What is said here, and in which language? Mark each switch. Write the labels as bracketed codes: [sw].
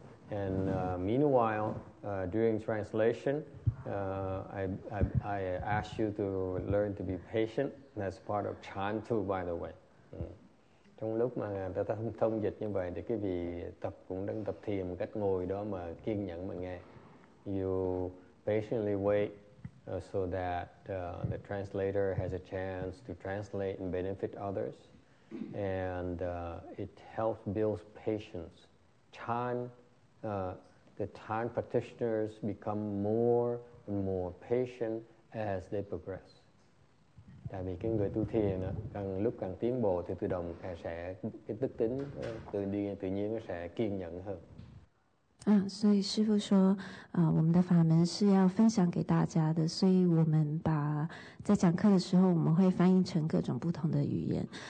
[en] And meanwhile, during translation, I ask you to learn to be patient. That's part of Chan too, by the way. [vi] Trong lúc mà ta thông dịch như vậy, thì cái vị tập cũng đang tập thiền một cách ngồi đó mà kiên nhẫn mà nghe. [en] You patiently wait so that the translator has a chance to translate and benefit others. And it helps build patience. Chan, the Chan practitioners become more and more patient as they progress. [vi] Tại vì cái người tu thiền càng lúc càng tiến bộ thì tự động sẽ cái đức tính tự nhiên nó sẽ kiên nhẫn hơn. [zh] 所以师父说，我们的法门是要分享给大家的，所以我们把在讲课的时候，我们会翻译成各种不同的语言。